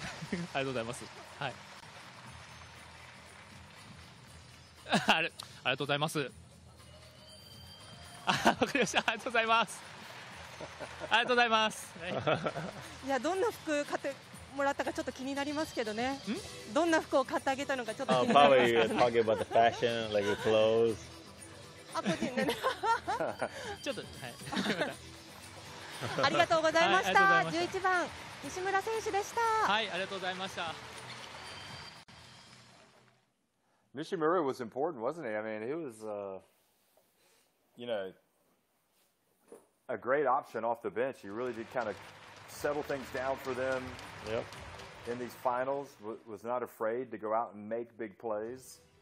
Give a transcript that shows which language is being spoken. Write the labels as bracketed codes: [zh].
[ja] ありがとうございます、はい、ありがとうございます。わかりました、ありがとうございます。ありがとうございます。いや、どんな服買ってもらったかちょっと気になりますけどね。んどんな服を買ってあげたのかちょっと気になりますけどね。 [en] Probably you're talking about the fashion, like your clothes. [ja] あ、個人でね。ちょっと、はい、ありがとうございました。 11番西村選手でした。はい、ありがとうございました。 [en] Nishimura was important, wasn't he? I mean, he was, you know, a great option off the bench. He really did kind of settle things down for them. Yep. In these finals, was not afraid to go out and make big plays.